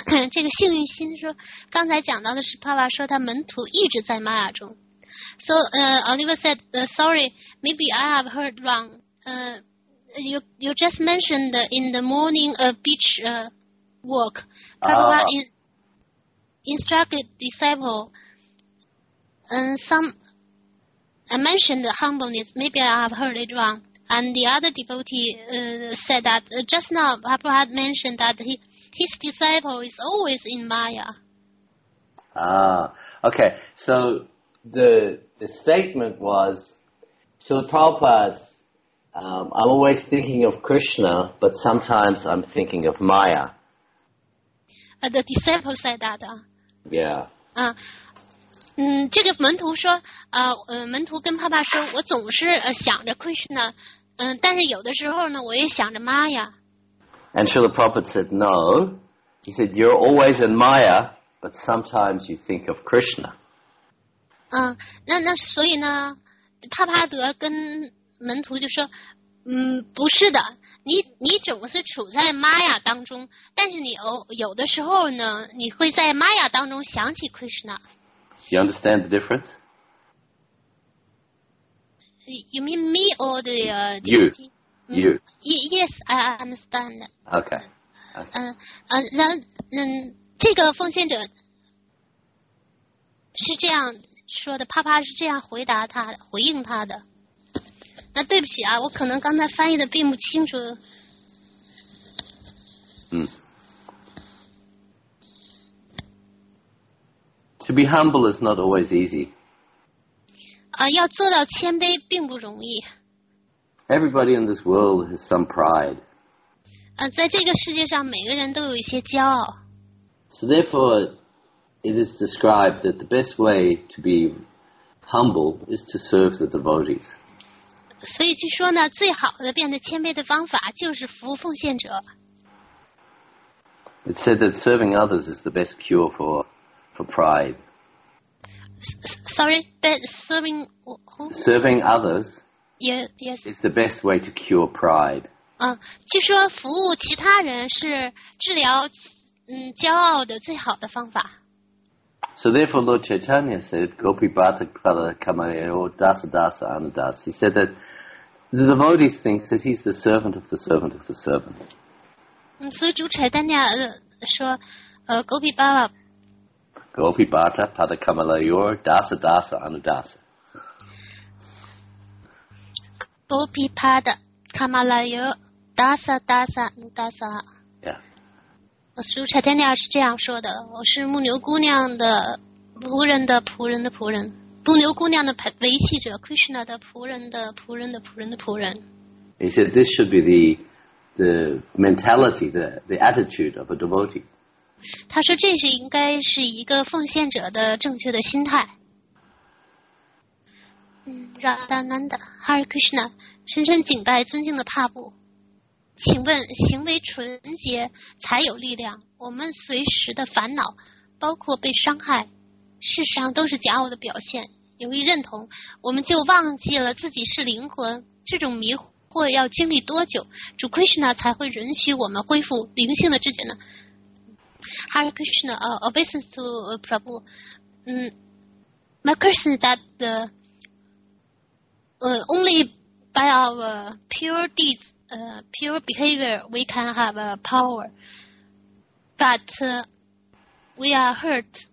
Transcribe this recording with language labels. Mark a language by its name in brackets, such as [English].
[Chinese] 这个幸运星说，刚才讲到的是帕帕说他门徒一直在玛雅中。 [English] So, Oliver said, sorry, maybe I have heard wrong. You just mentioned in the morning a beach walk. Prabhupada instructed disciple, I mentioned humbleness, maybe I have heard it wrong. And the other devotee said that just now Prabhupada mentioned that his disciple is always in Maya. Okay, so... The statement was, Srila Prabhupada, I'm always thinking of Krishna, but sometimes I'm thinking of Maya. The disciple said that. Yeah. [Chinese] 这个门徒说，门徒跟帕帕说，我总是想着 Krishna, 但是有的时候呢，我也想着 Maya. [English] And Srila Prabhupada said, no. He said, you're always in Maya, but sometimes you think of Krishna. [Chinese] 那所以呢，帕帕德跟门徒就说，不是的，你总是处在玛雅当中，但是你有的时候呢，你会在玛雅当中想起 Krishna。 [English] You understand the difference? You mean me or the you? Yes, I understand. Okay. [Chinese] 这个奉献者是这样。说的帕帕是这样回答他回应他的。那对不起啊，我可能刚才翻译的并不清楚。 [English] To be humble is not always easy. [Chinese] 要做到谦卑并不容易。 [English] Everybody in this world has some pride. [Chinese] 在这个世界上每个人都有一些骄傲。 [English] So therefore,It is described that the best way to be humble is to serve the devotees. [Chinese] 所以据说呢，最好的变得谦卑的方法就是服务奉献者。 [English] It said that serving others is the best cure for pride. Sorry, but serving who? Serving others. Yes. Is the best way to cure pride. [Chinese] 据说服务其他人是治疗骄傲的最好的方法。 [English] So therefore Lord Chaitanya said, [Sanskrit] Gopi Bhata Kala Kamayo Dasa Dasa Anadasa. [English] He said that the devotees think that he's the servant of the servant of the servant. So Guru Chaitanya Gopi Bhata. [Sanskrit] Gopi Bhata Pada Kamalayo Dasa Dasa Anadasa. Gopi Bhata Kamalayo Dasa Dasa Anadasa. [English] Yeah. [Chinese] 苏柴天尼亚是这样说的，我是牧牛姑娘的仆人的仆人的仆人，牧牛姑娘的维系者 Krishna 的仆人的仆人的仆人的仆人。 [English] He said this should be the mentality, the attitude of a devotee. [Chinese] 他说这是应该是一个奉献者的正确的心态。 Radha Nanda, Hare Krishna, 深深敬拜尊敬的帕布。请问行为纯洁才有力量，我们随时的烦恼包括被伤害，事实上都是假我的表现，由于认同我们就忘记了自己是灵魂，这种迷惑要经历多久主 Krishna 才会允许我们恢复灵性的知觉呢？ [English] Hare Krishna, obeisance to Prabhu. My question is that only by our pure deedspure behavior, we can have a power, but we are hurt.